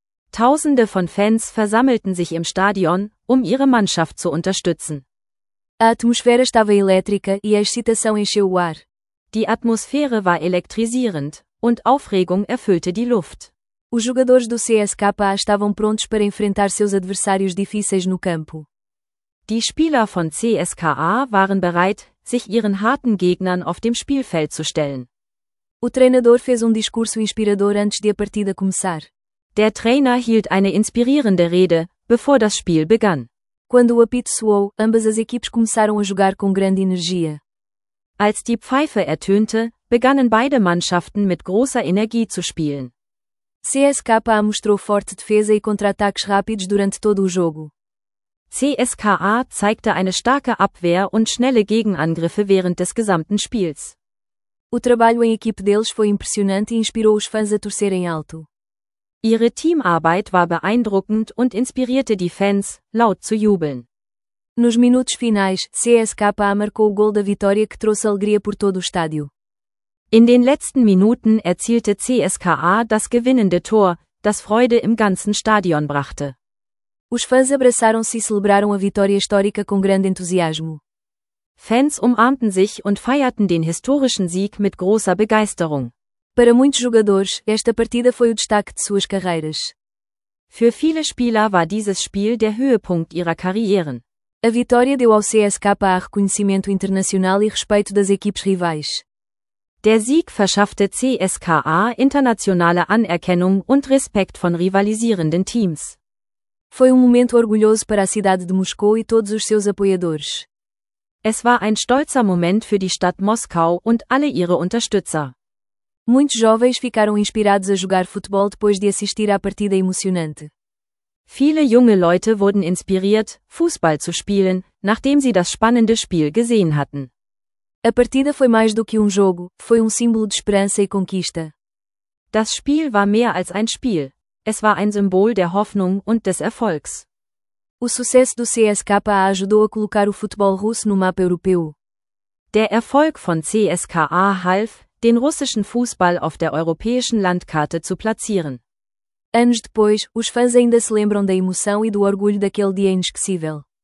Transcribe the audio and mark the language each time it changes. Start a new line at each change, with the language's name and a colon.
German: Tausende von Fans versammelten sich im Stadion, ihre Mannschaft zu unterstützen.
Portuguese: A atmosfera estava elétrica e a excitação encheu o ar.
German: Die Atmosphäre war elektrisierend und Aufregung erfüllte die Luft.
Portuguese: Os jogadores do CSKA estavam prontos para enfrentar seus adversários difíceis no campo.
German: Die Spieler von CSKA waren bereit, sich ihren harten Gegnern auf dem Spielfeld zu stellen.
Portuguese: O treinador fez discurso inspirador antes de a partida começar.
German: Der Trainer hielt eine inspirierende Rede, bevor das Spiel begann.
Portuguese: Quando o apito soou, ambas as equipes começaram a jogar com grande energia.
German: Als die Pfeife ertönte, begannen beide Mannschaften mit großer Energie zu spielen.
Portuguese: CSKA mostrou forte defesa e contra-ataques rápidos durante todo o jogo.
German: CSKA zeigte eine starke Abwehr und schnelle Gegenangriffe während des gesamten Spiels.
Portuguese: O trabalho em equipe deles foi impressionante e inspirou os fãs a torcerem alto.
German: Ihre Teamarbeit war beeindruckend und inspirierte die Fans, laut zu jubeln.
Portuguese: Nos minutos finais, CSKA marcou o gol da vitória que trouxe alegria por todo o estádio.
German: In den letzten Minuten erzielte CSKA das gewinnende Tor, das Freude im ganzen Stadion brachte.
Portuguese: Os fãs abraçaram-se e celebraram a vitória histórica com grande entusiasmo.
German: Fans umarmten sich und feierten den historischen Sieg mit großer Begeisterung.
Portuguese: Para muitos jogadores, esta partida foi o destaque de suas carreiras.
German: Für viele Spieler war dieses Spiel der Höhepunkt ihrer Karrieren.
Portuguese: A vitória deu ao CSKA reconhecimento internacional e respeito das equipes rivais.
German: Der Sieg verschaffte CSKA internationale Anerkennung und Respekt von rivalisierenden Teams.
Portuguese: Foi momento orgulhoso para a cidade de Moscou e todos os seus apoiadores.
German: Es war ein stolzer Moment für die Stadt Moskau und alle ihre Unterstützer.
Portuguese: Muitos jovens ficaram inspirados a jogar futebol depois de assistir à partida emocionante.
German: Viele junge Leute wurden inspiriert, Fußball zu spielen, nachdem sie das spannende Spiel gesehen hatten.
Portuguese: A partida foi mais do que jogo, foi símbolo de esperança e conquista.
German: Das Spiel war mehr als ein Spiel. Es war ein Symbol der Hoffnung und des Erfolgs.
Portuguese: O sucesso do CSKA ajudou a colocar o futebol russo no mapa europeu.
German: Der Erfolg von CSKA half, den russischen Fußball auf der europäischen Landkarte zu platzieren.
Portuguese: Anos depois, os fãs ainda se lembram da emoção e do orgulho daquele dia inesquecível.